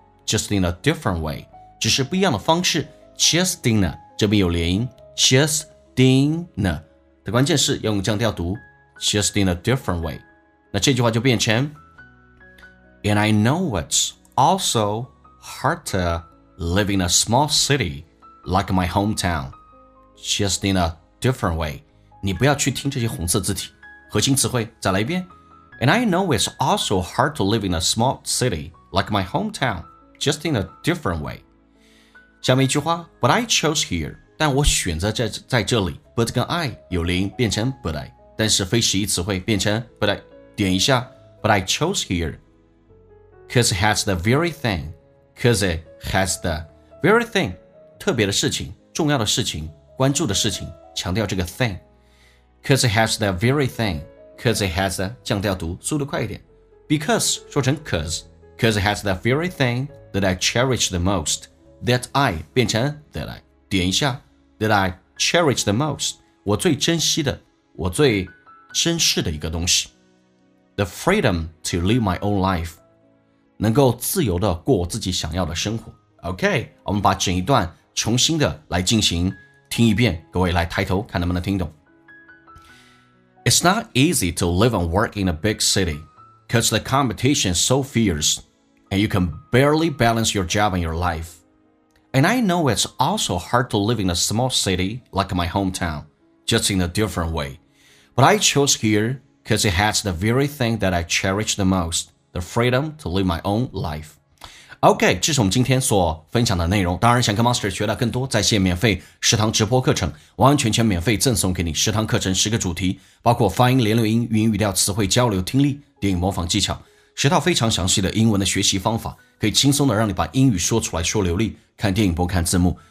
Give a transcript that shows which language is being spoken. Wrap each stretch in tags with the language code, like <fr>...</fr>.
<en>just in a different way，</en> <zh>只是不一样的方式，</zh> <en>just in a， 这边有零 just in a， 的关键是要用降调读 just in a different way， 那这句话就变成And I know it's also hard to live in a small city like my hometown, just in a different way.</en> <zh>你不要去听这些红色字体，核心词汇，再来一遍。</zh> <en>And I know it's also hard to live in a small city like my hometown, just in a different way. 下面一句话 ,But I chose here,</en> <zh>但我选择在这里</zh> <en>,But 跟 I 有连变成 But I, 但是非习义词汇变成 But I, 点一下 ,But I chose here,Cause it has the very thing, cause it has the very thing, 特别的事情，重要的事情，关注的事情，强调这个 thing, Because it has that very thing. Because it has that,</en> <zh>降调读，速度快一点。</zh> <en>Because, 说成 cause. Because it has that very thing that I cherish the most. That I, 变成 that I.</en> <zh>点一下。</zh> <en>That I cherish the most.</en> <zh>我最珍惜的，我最珍视的一个东西。</zh> <en>The freedom to live my own life.</en> <zh>能够自由地过自己想要的生活。 OK, 我们把整一段重新的来进行听一遍，各位来抬头看能不能听懂。</zh> <en>It's not easy to live and work in a big city, because the competition is so fierce, and you can barely balance your job and your life. And I know it's also hard to live in a small city like my hometown, just in a different way. But I chose here because it has the very thing that I cherish the most, the freedom to live my own life.</en> <zh>OK, 这是我们今天所分享的内容。当然想跟 Master 学到更多在线免费食堂直播课程，完完全全免费赠送给你食堂课程十个主题，包括发音、连流音、语音语调、词汇交流、听力、电影模仿技巧，十套非常详细的英文的学习方法，可以轻松的让你把英语说出来说流利，看电影不看字幕。</zh>